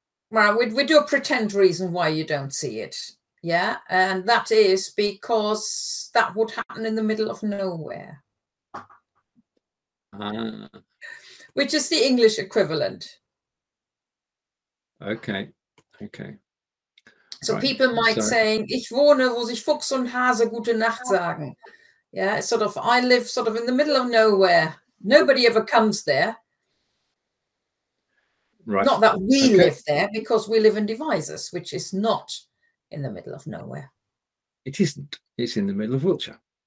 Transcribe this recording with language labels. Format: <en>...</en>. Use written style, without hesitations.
<en>Well, we do a pretend reason why you don't see it. Yeah. And that is because that would happen in the middle of nowhere. Which is the English equivalent. Okay. So right. People might say,</en> <de>ich wohne, wo sich Fuchs und Hase gute Nacht sagen.</de> <en>Yeah, sort of, I live sort of in the middle of nowhere. Nobody ever comes there. Right. Not that we live there, because we live in Devizes, which is not in the middle of nowhere. It isn't. It's in the middle of Wiltshire.</en>